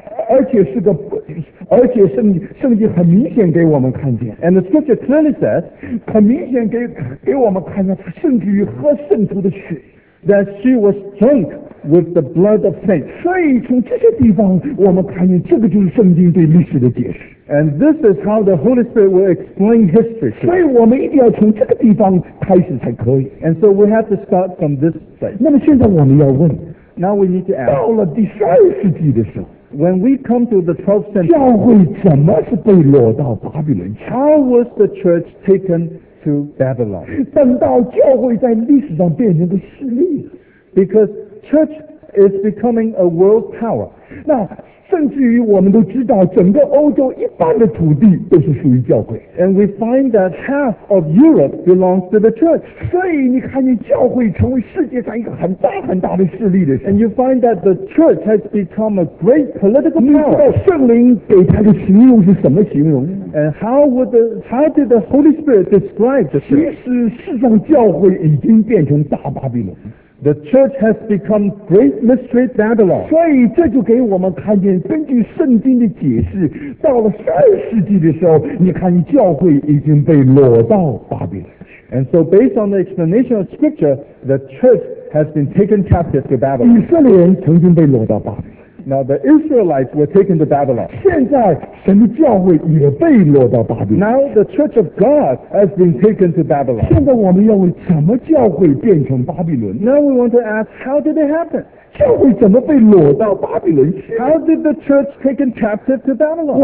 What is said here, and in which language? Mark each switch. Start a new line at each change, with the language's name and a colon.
Chinese: 而且圣经很明显给我们看见
English: ，and the scripture clearly says，
Chinese: 很明显给我们看见，她甚至于喝圣徒的血
English: ，that she was drunk with the blood of saints。
Chinese: 所以从这些地方，我们看见这个就是圣经对历史的解释
English: ，and this is how the Holy Spirit will explain history。
Chinese: 所以我们一定要从这个地方开始才可以
English: ，and so we have to start from this place。
Chinese: 那么现在我们要问
English: ，now we need to ask，
Chinese: 到了第十二世纪的时候。
English: When we come to the 12th century,
Chinese: 教会怎么是被掳到巴比伦去
English: ？How was the church taken to Babylon?
Chinese: 等到教会在历史上变成个势力
English: ，because church is becoming a world power.
Chinese: 那甚至于我们都知道，整个欧洲一半的土地都是属于教会。
English: And we find that half of Europe belongs to the church.
Chinese: 所以你看见教会成为世界上一个很大很大的势力的时候。
English: And you find that the church has become a great political power.
Chinese: 你知道圣灵给他的形容是什么形容
English: ？And how did the Holy Spirit describe the church?
Chinese: 其实世上教会已经变成大巴比伦。
English: The church has become great mystery Babylon.
Chinese: 所以这就给我们看见，根据圣经的解释，到了十二世纪的时候，你看教会已经被掳到巴比伦去。
English: And so, based on the explanation of Scripture, the church has been taken captive to Babylon.
Chinese: 以色列人曾经被掳到巴比伦。
English: Now the Israelites were taken to Babylon.
Chinese: 现在神的教会也被掳到巴比伦。
English: Now the Church of God has been taken to Babylon.
Chinese: 现在我们要问，怎么教会变成巴比伦
English: ？Now we want to ask, how did it happen?
Chinese: 教会怎么被掳到巴比伦去
English: ？How did the church taken captive to Babylon?